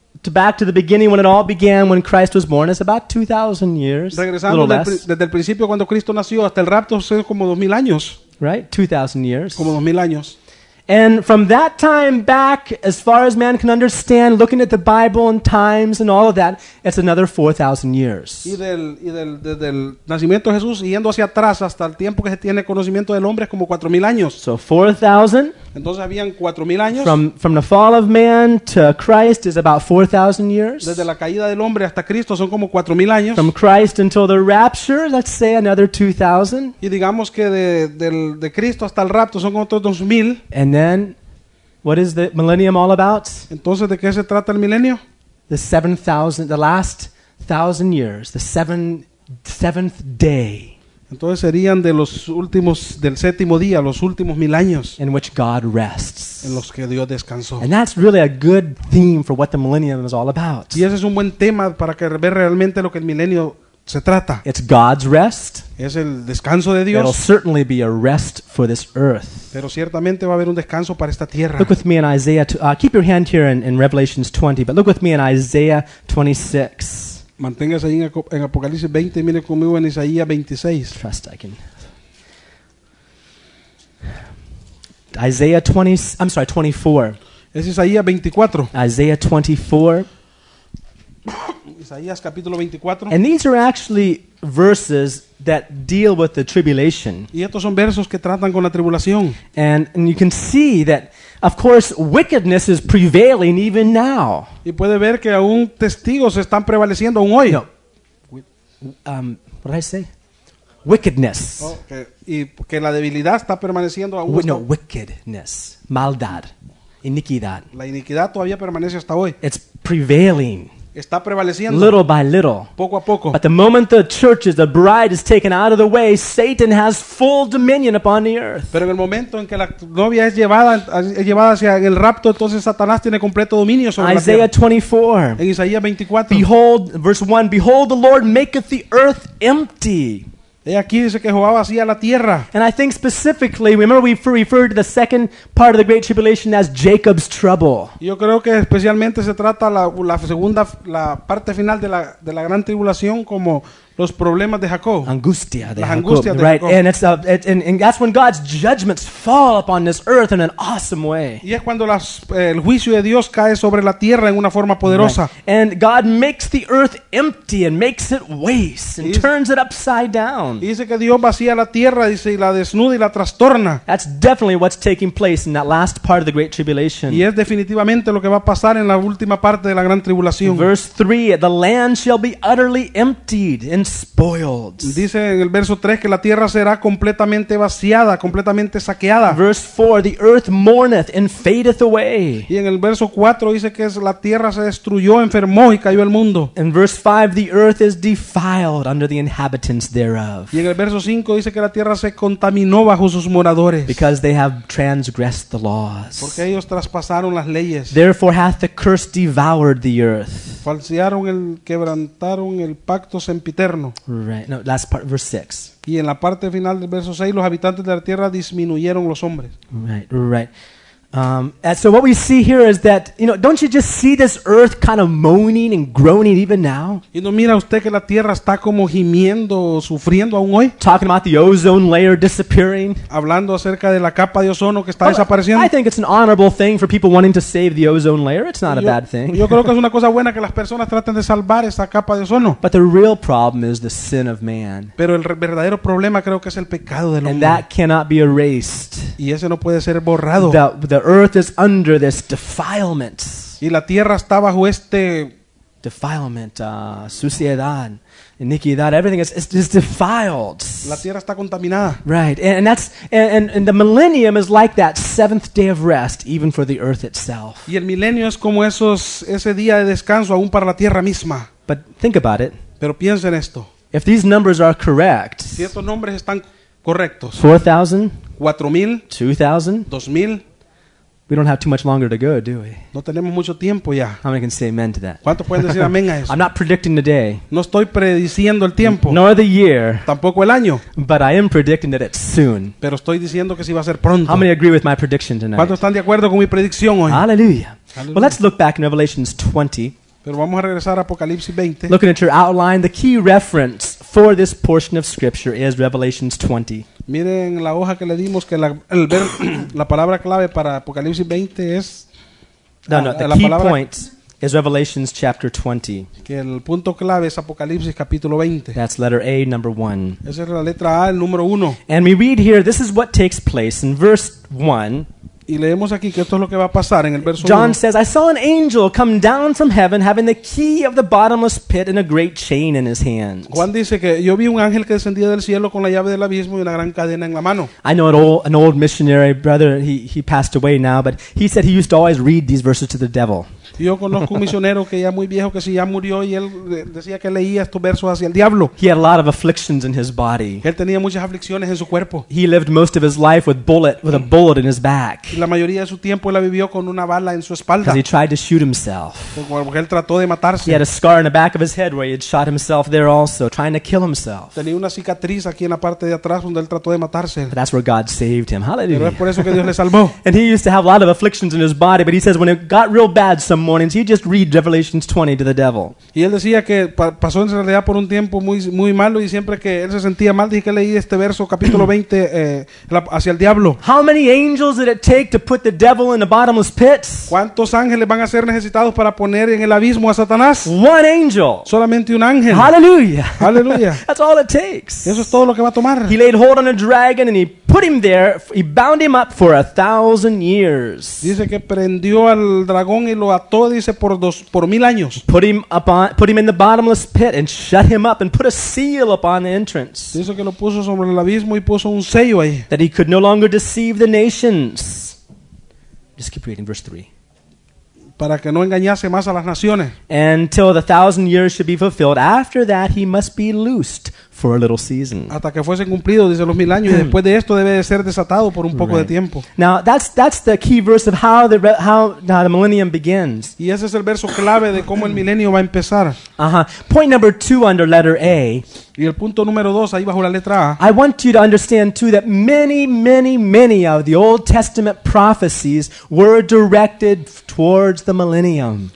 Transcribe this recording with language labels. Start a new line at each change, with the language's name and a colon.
English: back to the beginning when it all began, when Christ was born, is about 2,000 years.
Spanish: Regresando desde el principio cuando Cristo nació hasta el rapto son como 2,000 años.
English: Right, 2,000 years.
Spanish: Como 2,000 años.
English: And from that time back, as far as man can understand, looking at the Bible and times and all of that, it's another 4,000 years.
Spanish: Y del nacimiento de Jesús yendo hacia atrás hasta el tiempo que se tiene conocimiento del hombre es como 4,000 años.
English: So 4,000.
Spanish: Entonces habían 4,000 años.
English: From the fall of man to Christ is about 4,000 years.
Spanish: Desde la caída del hombre hasta Cristo son como 4,000 años.
English: From Christ until the rapture, let's say another 2,000.
Spanish: Y digamos que de Cristo hasta el rapto son otros 2,000.
English: And then, what is the millennium all about?
Spanish: Entonces, ¿de qué se trata el milenio?
English: The 7,000, the last 1,000 years, the seventh day.
Spanish: Entonces serían de los últimos, del séptimo día, los últimos 1,000 años.
English: In which God rests.
Spanish: En los que Dios descansó.
English: And that's really a good theme for what the millennium is all about.
Spanish: Y ese es un buen tema para que ver realmente lo que el milenio se trata.
English: It's God's rest.
Spanish: Es el descanso de Dios.
English: There'll certainly be a rest for this earth.
Spanish: Pero ciertamente va a haber un descanso para esta tierra.
English: Look with me in Isaiah. Keep your hand here in Revelations 20, but look with me in Isaiah 26.
Spanish: Manténgase ahí en Apocalipsis 20 y mire conmigo en Isaías 26.
English: Trust I can. Isaiah 24.
Spanish: Es Isaías 24.
English: Isaiah 24.
Spanish: Isaías capítulo 24.
English: And these are actually verses that deal with the tribulation.
Spanish: Y estos son versos que tratan con la tribulación.
English: And you can see that, of course, wickedness is prevailing even now.
Spanish: Y puede ver que aún testigos están prevaleciendo aún hoy.
English: No. What did I say? Wickedness.
Spanish: Okay. Y que la debilidad está permaneciendo aún.
English: No, wickedness.
Spanish: Maldad. Iniquidad. La iniquidad todavía permanece hasta hoy.
English: It's prevailing.
Spanish: está prevaleciendo.
English: Little by little.
Spanish: Poco a poco.
English: But the moment the church is, the bride is taken out of the way, Satan has full dominion upon the earth.
Spanish: Pero en el momento en que la novia es llevada, hacia el rapto, entonces Satanás tiene completo dominio sobre
English: Isaiah 24.
Spanish: En Isaías 24.
English: Behold, verse 1, behold the Lord maketh the earth empty.
Spanish: Y aquí dice que Jehová vacía la tierra.
English: And I think specifically, remember we referred to the second part of the great tribulation as Jacob's trouble.
Spanish: Yo creo que especialmente se trata la parte final de la gran tribulación como los problemas de Jacob. Angustia de Jacob. Right.
English: And it's and that's when God's judgments fall upon this earth in an awesome way.
Spanish: Y es cuando el juicio de Dios cae sobre la tierra en una forma poderosa.
English: Right. And God makes the earth empty and makes it waste and turns it upside down.
Spanish: Y dice que Dios vacía la tierra, dice, y la desnuda y la trastorna.
English: That's definitely what's taking place in that last part of the great tribulation.
Spanish: Y es definitivamente lo que va a pasar en la última parte de la gran tribulación.
English: Verse 3, the land shall be utterly emptied. And spoiled.
Spanish: Dice en el verso 3 que la tierra será completamente vaciada, completamente saqueada.
English: Verse 4, the earth mourneth and fadeth away.
Spanish: Y en el verso 4 dice que la tierra se destruyó, enfermó y cayó el mundo.
English: In verse 5, the earth is defiled under the inhabitants thereof.
Spanish: Y en el verso 5 dice que la tierra se contaminó bajo sus moradores.
English: Because they have transgressed the laws.
Spanish: Porque ellos traspasaron las leyes.
English: Therefore hath the curse devoured the earth.
Spanish: Falsearon el quebrantaron el pacto sempiterno.
English: Right. No, last part, verse 6.
Spanish: Y en la parte final del verso 6, los habitantes de la tierra disminuyeron los hombres.
English: Right, right. And so what we see here is that, you know, don't you just see this earth kind of moaning and groaning even now?
Spanish: ¿Y no mira usted que la tierra está como gimiendo, sufriendo aún hoy?
English: Talking about the ozone layer disappearing.
Spanish: Hablando acerca de la capa de ozono que está desapareciendo.
English: I think it's an honorable thing for people wanting to save the ozone layer. It's not a bad thing.
Spanish: Yo creo que es una cosa buena que las personas traten de salvar esa capa de ozono.
English: But the real problem is the sin of man.
Spanish: Pero el verdadero problema creo que es el pecado del hombre.
English: And that cannot be erased.
Spanish: Y ese no puede ser borrado.
English: The earth is under this defilement.
Spanish: Y la tierra está bajo este defilement, suciedad, iniquidad.
English: Everything is defiled.
Spanish: La tierra está contaminada.
English: Right, and the millennium is like that seventh day of rest, even for the earth itself.
Spanish: Y el milenio es como ese día de descanso, aún para la tierra misma.
English: But think about it.
Spanish: Pero piensa en esto.
English: If these numbers are correct,
Spanish: si estos nombres están correctos,
English: 4,000,
Spanish: 4,000,
English: 2,000,
Spanish: 2,000.
English: We don't have too much longer to go, do we?
Spanish: No tenemos mucho tiempo ya.
English: How many can say amen to that?
Spanish: ¿Cuántos pueden decir amén a eso?
English: I'm not predicting the day.
Spanish: No estoy prediciendo el tiempo.
English: Nor the year.
Spanish: Tampoco el año.
English: But I am predicting that it's soon.
Spanish: Pero estoy diciendo que sí va a ser pronto.
English: How many agree with my prediction tonight?
Spanish: ¿Cuántos están de acuerdo con mi predicción hoy?
English: Hallelujah. Well, let's look back in Revelation 20.
Spanish: Pero vamos a regresar a Apocalipsis 20.
English: Looking at your outline, the key reference for this portion of Scripture is Revelation 20.
Spanish: Miren la hoja que le dimos que la palabra clave para Apocalipsis 20 es
English: the key point is Revelation chapter 20.
Spanish: Que el punto clave es Apocalipsis capítulo 20.
English: That's letter A, number 1.
Spanish: Esa es la letra A, el número 1.
English: And we read here, this is what takes place in verse 1.
Spanish: Y leemos aquí que esto es lo que va a pasar en el verso 1.
English: John says, I saw an angel come down from heaven having the key of the bottomless pit and a great chain in his hands.
Spanish: Juan dice que yo vi un ángel que descendía del cielo con la llave del abismo y una gran cadena en la mano.
English: I know an old missionary brother, he passed away now, but he said he used to always read these verses to the devil.
Spanish: Yo conozco un misionero que ya muy viejo que si ya murió y él decía que leía estos versos hacia el diablo.
English: He had a lot of afflictions in his body.
Spanish: Él tenía muchas aflicciones en su cuerpo.
English: He lived most of his life with a bullet in his back.
Spanish: Y la mayoría de su tiempo la vivió con una bala en su espalda.
English: Because he tried to shoot himself.
Spanish: Porque él trató de matarse.
English: He had a scar in the back of his head where he had shot himself there also, trying to kill himself.
Spanish: Tenía una cicatriz aquí en la parte de atrás donde él trató de matarse.
English: But that's where God saved him. Hallelujah.
Spanish: Pero es por eso que Dios le salvó.
English: And he used to have a lot of afflictions in his body, but he says when it got real bad some mornings, he just read Revelations 20 to the devil.
Spanish: Y él decía que pasó en realidad por un tiempo muy muy malo y siempre que él se sentía mal dije que leí este verso capítulo 20 hacia el diablo.
English: How many angels did it take to put the devil in the bottomless pit?
Spanish: ¿Cuántos ángeles van a ser necesitados para poner en el abismo a Satanás?
English: One angel.
Spanish: Solamente un ángel.
English: Hallelujah. Hallelujah. That's all it takes.
Spanish: Eso es todo lo que va a tomar.
English: He laid hold on a dragon and he put him there. He bound him up for 1,000 years.
Spanish: Dice que prendió al dragón y lo ató, dice, por 1,000 años.
English: Put him in the bottomless pit and shut him up and put a seal upon the entrance.
Spanish: Dice que lo puso sobre el abismo y puso un sello ahí.
English: That he could no longer deceive the nations. Just keep reading verse 3.
Spanish: para que no engañase más a las naciones.
English: Until the 1,000 years should be fulfilled. After that, he must be loosed for a little season.
Spanish: Hasta que fuese cumplido, dice, los mil años, y después de esto debe de ser desatado por un poco de tiempo.
English: Now that's the key verse of how the millennium begins.
Spanish: Y ese es el verso clave de cómo el milenio va a empezar.
English: Point number two under letter A.
Spanish: Y el punto número dos ahí bajo la letra A.
English: I want you to understand too that many of the Old Testament prophecies were directed towards the millennium.